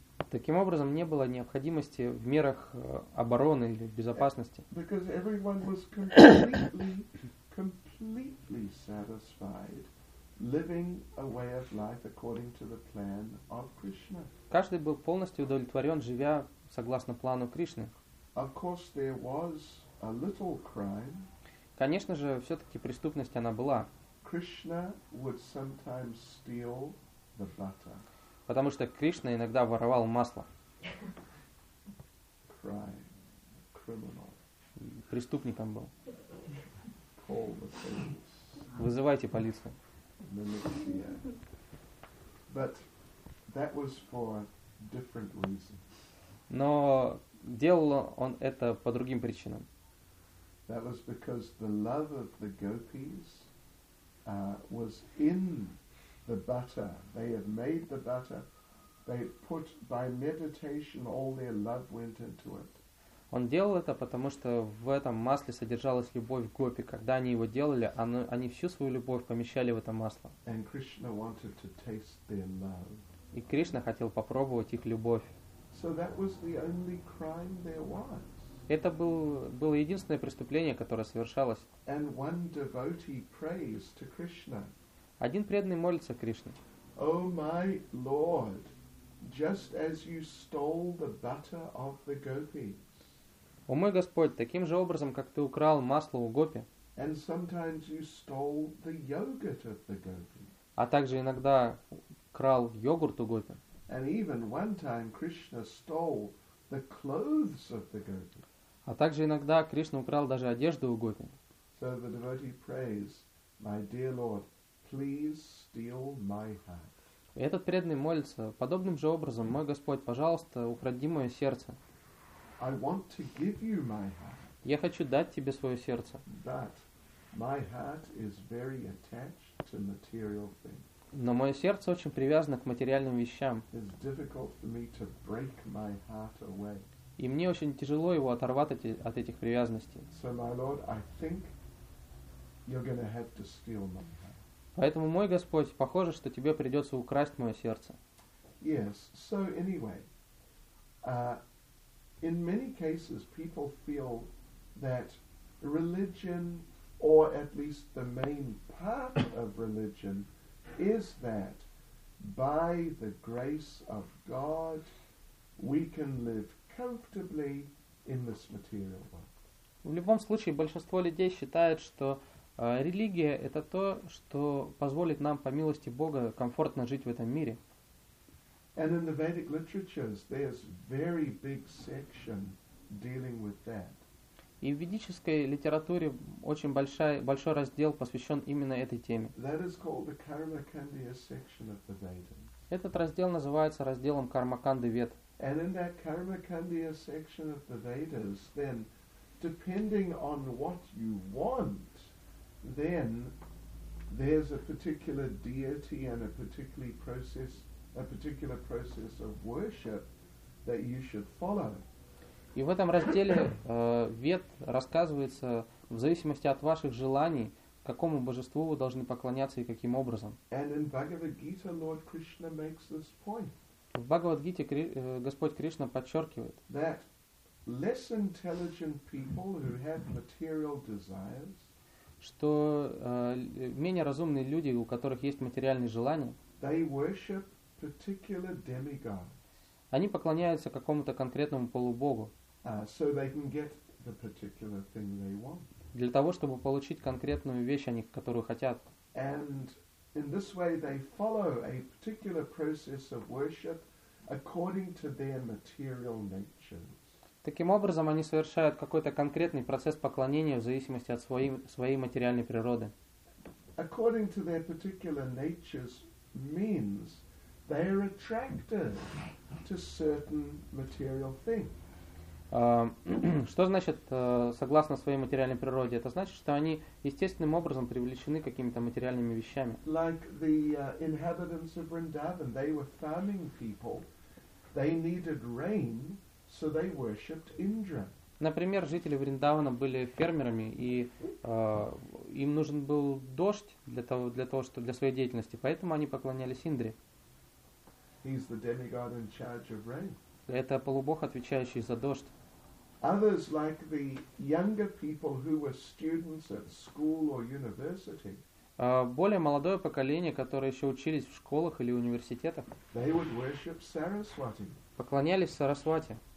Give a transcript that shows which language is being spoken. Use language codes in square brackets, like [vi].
[ru] Таким образом, не было необходимости в мерах обороны или безопасности. [en] Because everyone was completely satisfied living a way of life according to the plan of Krishna. [ru] Каждый был полностью удовлетворен, живя согласно плану Кришны. [en] Of course, there was a little crime. [ru] Конечно же, все-таки преступность она была. [en] Krishna would sometimes steal the butter. [ru] Потому что Кришна иногда воровал масло. [en] Crime. Criminal. [ru] Преступником был. [en] Call the police. [ru] Вызывайте полицию. [en] Militia. But that was for different reasons. [ru] Но делал он это по другим причинам. [en] That was because the love of the gopis was in the butter. They had made the butter. They put by meditation all their love went into it. [ru] Он делал это потому что в этом масле содержалась любовь гопи. Когда они его делали, они всю свою любовь помещали в это масло. [en] And Krishna wanted to taste their love. [ru] И Кришна хотел попробовать их любовь. [en] So that was the only crime there was. [ru] Это было единственное преступление, которое совершалось. [en] And one devotee prays to Krishna. [ru] Один преданный молится Кришне. [en] Oh my Lord, just as you stole the butter of the gopis. [ru] О мой Господь, таким же образом, как ты украл масло у гопи. [en] And sometimes you stole the yogurt of the gopi. [ru] А также иногда крал йогурт у гопи. [en] And even one time Krishna stole the clothes of the gopi. [ru] А также иногда Кришна украл даже одежду у гопи. [en] So the devotee prays, my dear Lord, please steal my heart. [ru] И этот преданный молится подобным же образом, мой Господь, пожалуйста, укради мое сердце. [en] I want to give you my heart. [ru] Я хочу дать тебе свое сердце. [en] But my heart is very attached to material things. [ru] Но мое сердце очень привязано к материальным вещам. [en] It's difficult for me to break my heart away. [ru] И мне очень тяжело его оторвать от этих привязанностей. [en] So, my Lord, I think you're going to have to steal my heart. [ru] Поэтому, мой Господь, похоже, что тебе придется украсть мое сердце. [en] Yes, so anyway, in many cases people feel that religion, or at least the main part of religion, is that by the grace of God we can live comfortably in this material world. [ru] В любом случае, большинство людей считает, что религия – это то, что позволит нам, по милости Бога, комфортно жить в этом мире. [en] And in the Vedic literatures, there's very big section dealing with that. [ru] И в ведической литературе очень большой раздел посвящен именно этой теме. [en] That is called the Karmakandiya section of the Vedas. [ru] Этот раздел называется разделом Кармаканды Вед. [en] And in that Karmakandiya section of the Vedas, then, depending on what you want, then there's a particular deity and a particular process of worship that you should follow. [ru] И в этом разделе Вед рассказывается в зависимости от ваших желаний, какому божеству вы должны поклоняться и каким образом. [en] And in Bhagavad Gita, Lord Krishna makes this point. [ru] В Бхагавад Гите Господь Кришна подчеркивает, [en] that less intelligent people who have material desires, [ru] что менее разумные люди, у которых есть материальные желания, [en] they worship particular demigods. [ru] Они поклоняются какому-то конкретному полубогу, [en] so they can get the particular thing they want. [ru] Для того, чтобы получить конкретную вещь, они, которую хотят. [en] And in this way they follow a particular process of worship according to their material nature. [ru] Таким образом, они совершают какой-то конкретный процесс поклонения в зависимости от своей материальной природы. [en] According to their particular natures means they are attracted to certain material things. [ru] Что значит согласно своей материальной природе? Это значит, что они естественным образом привлечены какими-то материальными вещами. [en] Like the inhabitants of Vrindavan, they were farming people, they needed rain. So they worshipped Indra. [ru] Например, жители Вриндавана были фермерами, и им нужен был дождь для своей деятельности, поэтому они поклонялись Индре. [en] He's the demigod in charge of rain. [ru] Это полубог, отвечающий за дождь. [en] Others, like the younger people who were students at school or university, [ru] более молодое поколение, которое еще учились в школах или университетах, [en] they would worship Saraswati. [ru] Поклонялись Сарасвати.